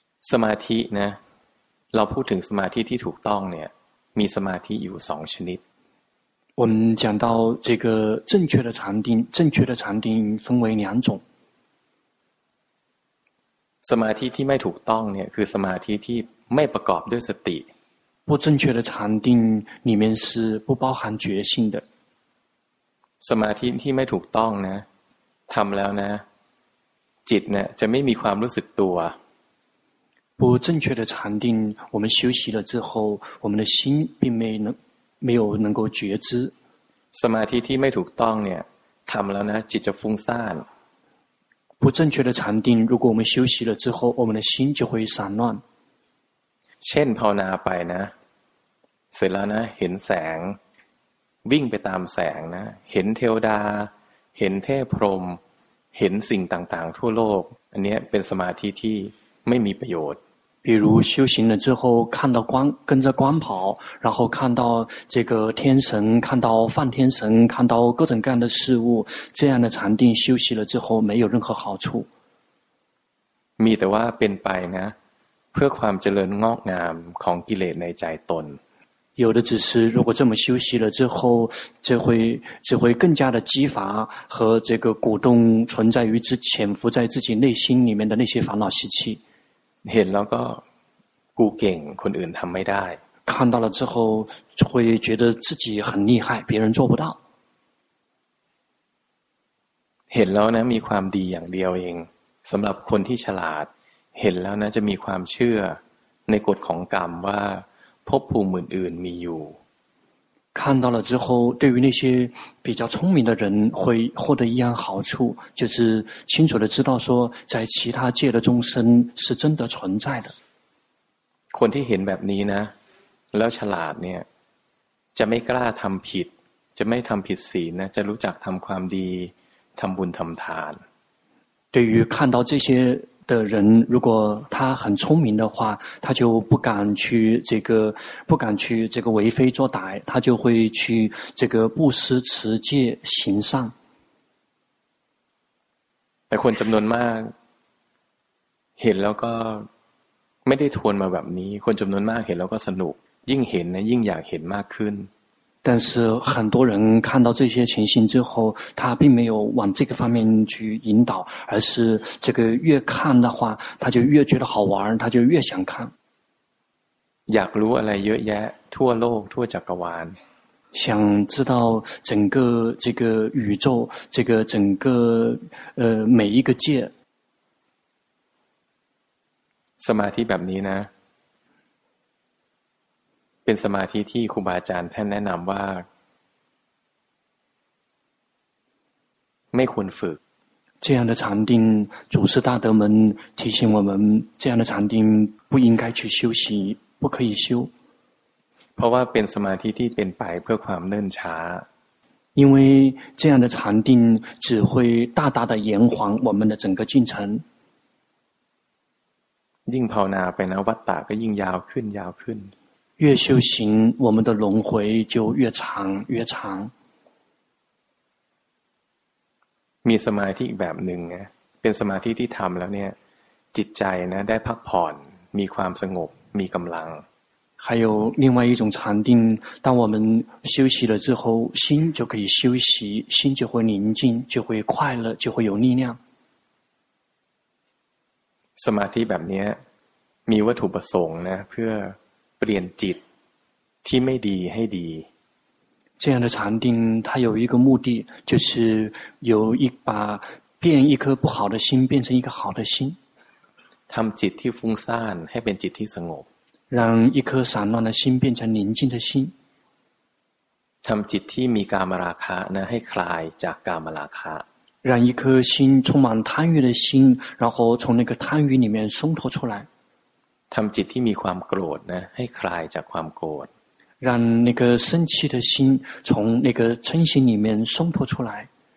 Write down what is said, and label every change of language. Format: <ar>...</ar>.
<th>สมาธินะเราพูดถึงสมาธิที่ถูกต้องเนี่ยมีสมาธิอยู่สองชนิด</th> <zh>我们讲到这个正确的禅定正确的禅定分为两种</zh> <th>สมาธิที่ไม่ถูกต้องเนี่ยคือสมาธิที่ไม่ประกอบด้วยสติ</th> <zh>不正确的禅定里面是不包含觉性的</zh> <th>สมาธิที่ไม่ถูกต้องนะทำแล้วนะจิตเนี่ยจะไม่มีความรู้สึกตัว</th> <zh>不正确的禅定我们休息了之后我们的心并没有能够觉知</zh> <th>สมาธิที่ไม่ถูกต้องเนี่ยทำแล้วนะจิตจะฟุ้งซ่าน</th> <zh>不正确的禅定如果我们休息了之后我们的心就会散乱</zh> <th>เช่นภาวนาไปนะเสร็จแล้วนะเห็นแสงวิ่งไปตามแสงนะเห็นเทวดาเห็นเทพพรหมเห็นสิ่งต่างๆทั่วโลกอันนี้เป็นสมาธิที่ไม่มีประโยชน์</th> <zh>比如修行了之后看到光跟着光跑然后看到这个天神看到梵天神看到各种各样的事物这样的禅定休息了之后没有任何好处</zh> <th>มีแต่ว่าเป็นไปนะเพื่อความเจริญงอกงามของกิเลสในใจตน</th> <zh>有的只是如果这么休息了之后这会更加的激发和这个鼓动存在于之潜伏在自己内心里面的那些烦恼习气</zh> <th>เห็นแล้วก็กูเก่งคนอื่นทำไม่ได้</th> <zh>看到了之后会觉得自己很厉害别人做不到</zh> <th>เห็นแล้วนะมีความดีอย่างเดียวเองสำหรับคนที่ฉลาดเห็นแล้วนะจะมีความเชื่อในกฎของกรรมว่าภพภูมิอื่นๆมีอยู่</th> <zh>看到了之后对于那些比较聪明的人会获得一样好处就是清楚的知道说在其他界的众生是真的存在的</zh> <th>คนที่เห็นแบบนี้นะแล้วฉลาดเนี่ยจะไม่กล้าทำผิดจะไม่ทำผิดศีลนะจะรู้จักทำความดีทำบุญทำทาน</th> <zh>对于看到这些的人如果他很聪明的话他就不敢去这个不敢去这个为非作歹他就会去这个布施持戒行善</zh> <th>แต่คนจำนวนมากเห็นแล้วก็ไม่ได้ทวนมาแบบนี้คนจำนวนมากเห็นแล้วก็สนุกยิ่งเห็นนะยิ่งอยากเห็นมากขึ้น</th> <zh>但是很多人看到这些情形之后他并没有往这个方面去引导而是这个越看的话他就越觉得好玩他就越想看</zh> <th>อยากรู้อะไรเยอะแยะทั่วโลกทั่วจักรวาล</th> <zh>想知道整个这个宇宙这个整个每一个界</zh> <th>สมาธิแบบนี้นะเป็นสมาธิที่ครูบาอาจารย์ท่านแนะนำว่าไม่ควรฝึก</th> <zh>这样的禅定祖师大德们提醒我们这样的禅定不应该去修习不可以修</zh> <th>เพราะว่าเป็นสมาธิที่เป็นไปเพื่อความเนิ่นช้า</th> <zh>因为这样的禅定只会大大的延缓我们的整个进程</zh> <th>ยิ่งภาวนาไปนะวัฏฏะก็ยิ่งยาวขึ้นยาวขึ้น</th> <zh>越修行我们的轮回就越长越长</zh> <th>มีสมาธิแบบหนึ่งเป็นสมาธิที่ทำแล้วเนี่ยจิตใจนะได้พักผ่อนมีความสงบมีกำลัง</th> <zh>还有另外一种禅定当我们休息了之后心就可以休息心就会宁静就会快乐就会有力量</zh> <th>สมาธิแบบนี้มีวัตถุประสงค์นะเพื่อเปลี่ยนจิตที่ไม่ดีให้ดี</th> <zh>这样的禅定它有一个目的就是有一把变一颗不好的心变成一个好的心</zh> <th>ทำจิตที่ฟุ้งซ่านให้เป็นจิตที่สงบ</th> <zh>让一颗散乱的心变成宁静的心</zh> <th>ทำจิตที่มีกามราคะนะให้คลายจากกามราคะ</th> <zh>让一颗心充满贪欲的心然后从那个贪欲里面松脱出来</zh> <th>ทำจิตที่มีความโกรธนะให้คลายจากความโกรธ</th> <zh>让那个生气的心从那个嗔心里面松脱出来</zh>